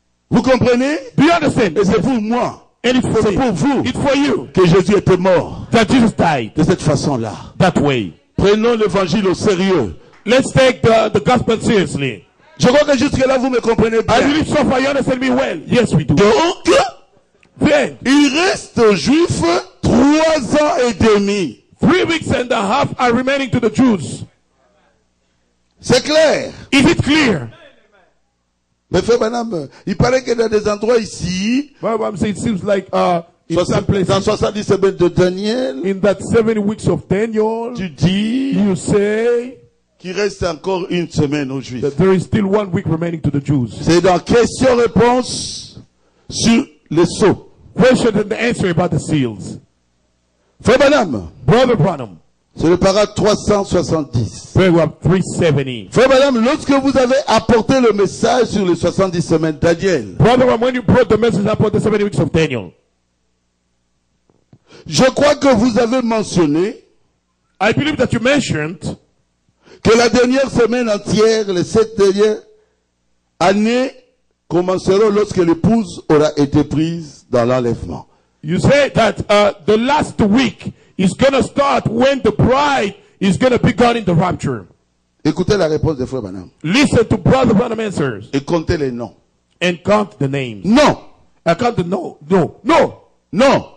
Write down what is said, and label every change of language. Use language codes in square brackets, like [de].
[fr] Vous comprenez? [en] Do you understand? [fr] Et c'est pour moi. [en] And it's for [fr] c'est Pour vous. [en] It's for you. [fr] Que Jésus était mort. [en] That Jesus died. [fr] De cette façon-là. [en] That way. [fr] Prenons l'évangile au sérieux. [en] Let's take the gospel seriously. [fr] Je crois que jusque là vous me comprenez bien. [en] I believe so far you understand me well. Yes, we do. [fr] Donc, [en] then, [fr] il reste aux Juifs 3 ans et demi. [en] 3 weeks and a half are remaining to the Jews. [fr] C'est clair. [en] Is it clear? [fr] Mais frère Branham, il paraît que dans des endroits ici, [en] well, I'm saying it seems like in some places, [fr] dans 70 semaines de Daniel, [en] in that 70 weeks of Daniel, [fr] tu dis, [en] you say, [fr] qu'il reste encore une semaine aux Juifs. [en] That there is still 1 week remaining to the Jews. [fr] C'est dans question-réponse sur le sceau. [en] Question and answer about the seals. [fr] Frère Branham, [en] Brother Branham, [fr] c'est le paragraphe 370. [en] 370. [fr] Frère Branham, lorsque vous avez apporté le message sur les 70 semaines Daniel, [en] Brother Branham, when you brought the message about the 70 weeks of Daniel, [fr] je crois que vous avez mentionné, [en] I believe that you mentioned, [fr] que la dernière semaine entière, les 7 dernières années, commenceront lorsque l'épouse aura été prise dans l'enlèvement. [en] You say that the last week is going to start when the bride is going to be gone in the rapture. [fr] Écoutez la réponse de Frère Branham. [en] Listen to Brother Branham's answers. [fr] Et comptez les noms. [en] And count the names. [fr] Non. [en] I count the no. No. No. [fr] Non.